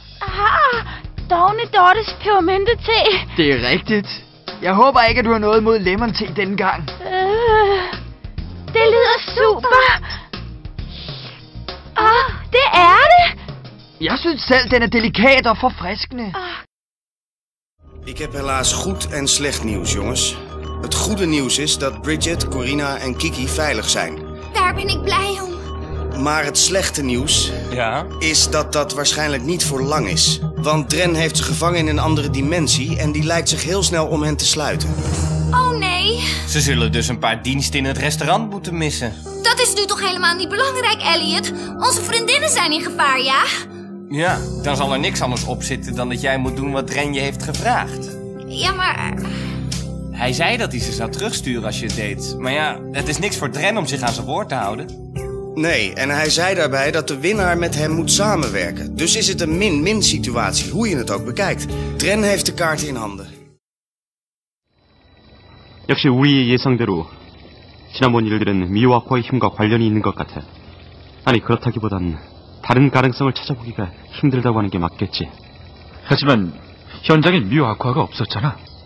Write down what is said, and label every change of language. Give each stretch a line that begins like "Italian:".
Danish: Ah, Dovne Dottes pebermyntete. Det er rigtigt. Jeg håber ikke, at du har noget imod lemon tea denne gang. Det lyder super! Åh, det er det! Jeg synes selv, den er delikat og forfriskende.
Dutch: Ik heb helaas goed en slecht nieuws, jongens. Het goede nieuws is dat Bridget, Corina en Kiki veilig zijn. Daar ben ik blij om. Maar het slechte nieuws... Ja? ...is dat dat waarschijnlijk niet voor lang is. Want Dren heeft ze gevangen in een andere dimensie en die lijkt zich heel snel om hen te sluiten. Oh nee. Ze zullen dus een paar diensten in het restaurant moeten missen. Dat is nu toch helemaal niet belangrijk, Elliot. Onze vriendinnen zijn in gevaar, ja? Ja, dan zal er niks anders op zitten dan dat jij moet doen wat Dren je heeft gevraagd. Ja, maar... Hij zei dat hij ze zou terugsturen als je het deed. Maar ja, het is niks voor Dren om zich aan zijn woord te houden. Nee, en hij zei daarbij dat de winnaar met hem moet samenwerken. Dus is het een min-min situatie, hoe je het ook bekijkt. Dren heeft de kaart in handen.
Korean: 역시 우리의 예상대로 지난번 일들은 미와코의 힘과 관련이 있는 것 같아. 아니 그렇다기보단 다른 가능성을 찾아보기가 힘들다고 하는 게 맞겠지. 하지만 현장에 미와코가 없었잖아.